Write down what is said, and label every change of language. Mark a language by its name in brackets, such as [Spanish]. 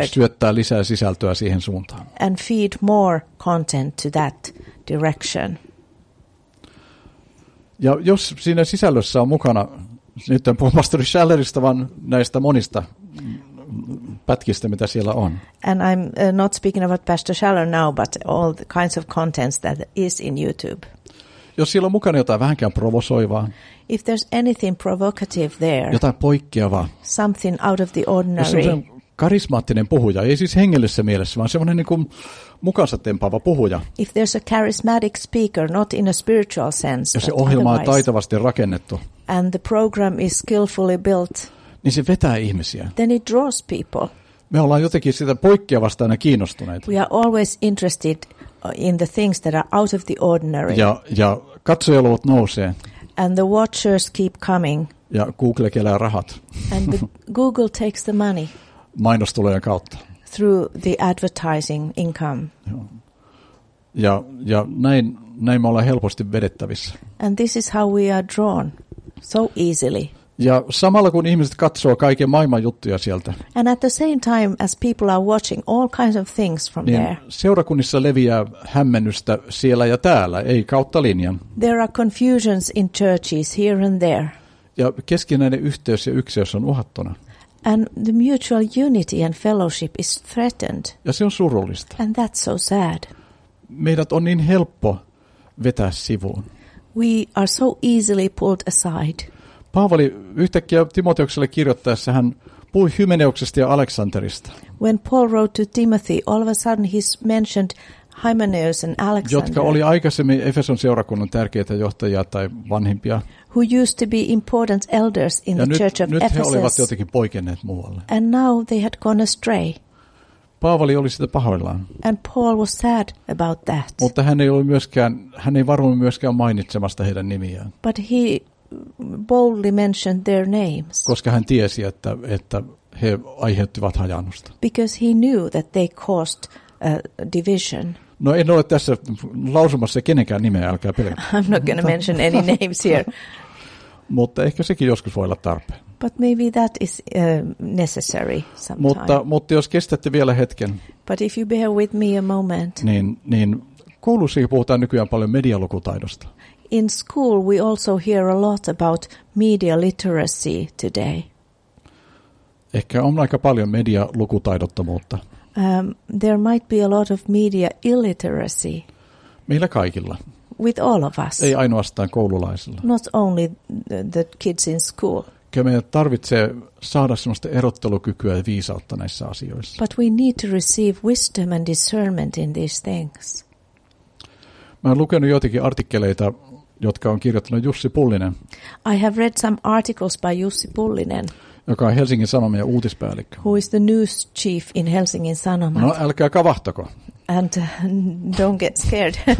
[Finnish] Ja syöttää lisää sisältöä siihen suuntaan. [English] And feed more content to that direction. [Finnish] Ja jos siinä sisällössä on mukana, nyt en puhu pastori Schallerista, vaan näistä monista pätkistä, mitä siellä on. [English] And I'm not speaking about Pastor Schaller now, but all the kinds of contents that is in YouTube. [Finnish] Jos siellä on mukana jotain vähänkään provosoivaa, [English] if there's anything provocative there, [Finnish] jotain poikkeavaa, [English] something out of the ordinary, [Finnish] jos semmoinen karismaattinen puhuja, ei siis hengellisessä mielessä, vaan semmoinen niin kuin mukansa tempaava puhuja, [English] if there's a charismatic speaker, not in a spiritual sense, [Finnish] jos se ohjelma on taitavasti rakennettu, [English] and the program is skillfully built, [Finnish] niin se vetää ihmisiä, [English] then it draws people. [Finnish] Me ollaan jotenkin sitä poikkeavasta aina kiinnostuneita. [English] We are always interested in the things that are out of the ordinary. [Finnish] Ja katsojaluvut nousee. [English] And the watchers keep coming. [Finnish] Ja Google kelää rahat. [English] And Google takes the money. [Finnish] Mainostulojen kautta. [English] Through the advertising income. [Finnish] Ja näin me ollaan helposti vedettävissä. [English] And this is how we are drawn so easily. [Finnish] Ja samalla kun ihmiset katsoo kaiken maailman juttuja sieltä. [English] And at the same time as people are watching all kinds of things from [Finnish] niin [English] there. [Finnish] Seurakunnissa leviää hämmennystä siellä ja täällä, ei kautta linjan. [English] There are confusions in churches here and there. [Finnish] Ja keskinäinen yhteys ja ykseys on uhattuna. [English] And the mutual unity and fellowship is threatened. [Finnish] Ja se on surullista. [English] And that's so sad. [Finnish] Meidät on niin helppo vetää sivuun. [English] We are so easily pulled aside. [Finnish] Paavali yhtäkkiä Timoteukselle kirjoittaessa hän puhui Hymeneuksesta ja Aleksanterista. [English] When Paul wrote to Timothy, all of a sudden he mentioned Hymeneus and Alexander. [Finnish] Jotka oli aikaisemmin Efeson seurakunnan tärkeitä johtajia tai vanhimpia. [English] Who used to be important elders in [Finnish] ja [English] the church of Ephesus. [Finnish] Nyt he olivat jotenkin poikenneet muualle. [English] And now they had gone astray. [Finnish] Paavali oli sitä pahoillaan. [English] And Paul was sad about that. [Finnish] Mutta hän ei varunut myöskään mainitsemasta heidän nimiään. [English] But he boldly mentioned their names. [Finnish] Koska hän tiesi, että he aiheuttivat hajannusta. [English] Because he knew that they caused a division. [Finnish] No en ole tässä lausumassa kenenkään nimeä, älkää pelätä. [English] I'm not going to mention any names here. [Finnish] Mutta ehkä sekin joskus voi olla tarpeen. [English] But maybe that is necessary sometime. [Finnish] Mutta jos kestätte vielä hetken. [English] But if you bear with me a moment. [Finnish] Niin koulussa puhutaan nykyään paljon medialukutaidosta. [English] In school we also hear a lot about media literacy today. [Finnish] Ehkä on aika paljon medialukutaidottomuutta. [English] There might be a lot of media illiteracy. [Finnish] Meillä kaikilla. [English] With all of us. [Finnish] Ei ainoastaan koululaisilla. [English] Not only the kids in school. [Finnish] Meidän tarvitsee saada sellaista erottelukykyä ja viisautta näissä asioissa. [English] But we need to receive wisdom and discernment in these things. [Finnish] Mä oon lukenut joitakin artikkeleita, jotka on kirjoittanut Jussi Pullinen. [English] I have read some articles by Jussi Pullinen. [Finnish] Joka on Helsingin Sanomien uutispäällikkö. [English] Who is the news chief in Helsingin Sanomat? [Finnish] No älkää kavahtako. [English] And don't get scared.